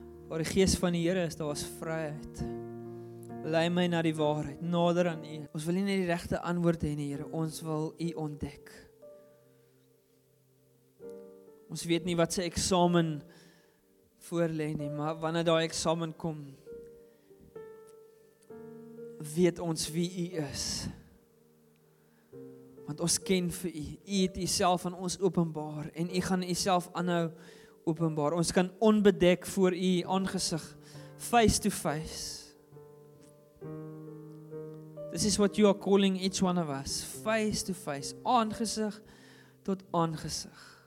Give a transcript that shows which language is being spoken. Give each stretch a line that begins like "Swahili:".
Afrikaans: Waar die Gees van die Here is, daar is vryheid. Lei my na die waarheid, nader aan U. Ons wil nie net die regte antwoord hê nie, Here. Ons wil U ontdek. Ons weet nie wat se eksamen voor lê nie, maar wanneer daai eksamen kom, weet ons wie U is. Want ons ken vir U. U het U self aan ons openbaar en U gaan U self aanhou openbaar. Ons kan onbedek voor U aangesig,
English: face to face. This is what you are calling each one of us, face to face,
Afrikaans: aangesig tot aangesig.